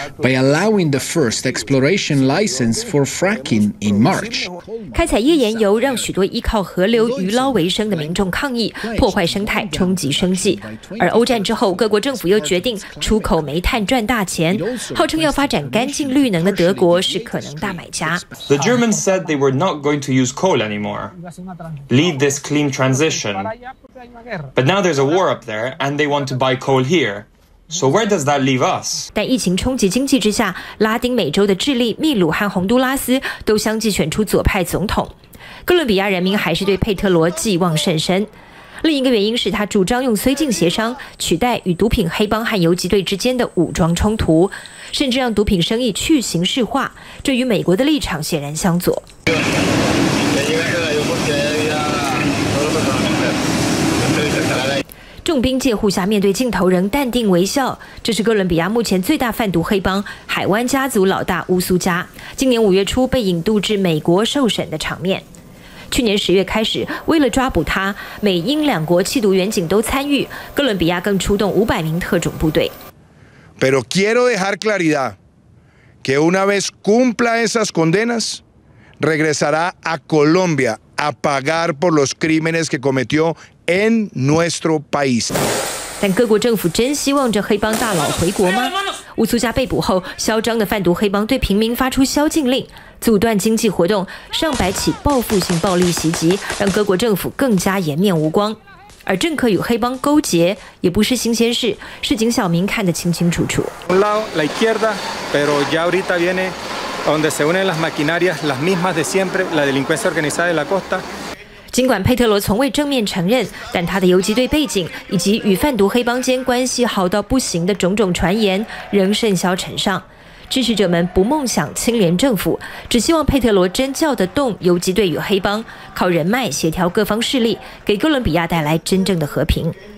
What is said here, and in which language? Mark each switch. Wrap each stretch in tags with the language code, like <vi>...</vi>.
<en>By allowing the first exploration license for fracking in March，</en> <zh>开采页岩油让许多依靠河流渔捞为生的民众抗议，破坏生态，冲击生计。而欧战之后，各国政府又决定出口煤炭赚大钱，号称要发展干净绿能的德国是可能大买家。</zh> <en>The Germans said they were not going to use coal anymore. This clean transition. But now there's a war up there, and they want to buy coal here. So where does that leave us?</en> <zh>但疫情冲击经济之下，拉丁美洲的智利、秘鲁和洪都拉斯都相继选出左派总统。哥伦比亚人民还是对佩特罗寄望甚深。另一个原因是他主张用绥靖协商取代与毒品黑帮和游击队之间的武装冲突，甚至让毒品生意去形式化，这与美国的立场显然相左。重兵戒护下面对镜头仍淡定微笑。这是哥伦比亚目前最大贩毒黑帮海湾家族老大乌苏加，今年五月初被引渡至美国受审的场面。去年十月开始，为了抓捕他，美英两国缉毒员警都参与，哥伦比亚更出动500名特种部队。</zh> <es>Pero quiero dejar claridad que una vez cumpla esas condenas, regresará a Colombia a pagar por los crímenes que cometió en nuestro país.</es> <zh>但各国政府真希望这黑帮大佬回国吗？乌苏加被捕后，嚣张的贩毒黑帮对平民发出宵禁令，阻断经济活动，上百起报复性暴力袭击，让各国政府更加颜面无光。而政客与黑帮勾结也不是新鲜事，市井小民看得清清楚楚。</zh> <es>Un lado la izquierda, pero ya ahorita viene donde se unen las maquinarias, las mismas de siempre, la delincuencia organizada de la costa。</es> <zh>尽管佩特罗从未正面承认，但他的游击队背景以及与贩毒黑帮间关系好到不行的种种传言仍甚嚣尘上。支持者们不梦想清廉政府，只希望佩特罗真叫得动游击队与黑帮，靠人脉协调各方势力，给哥伦比亚带来真正的和平。</zh>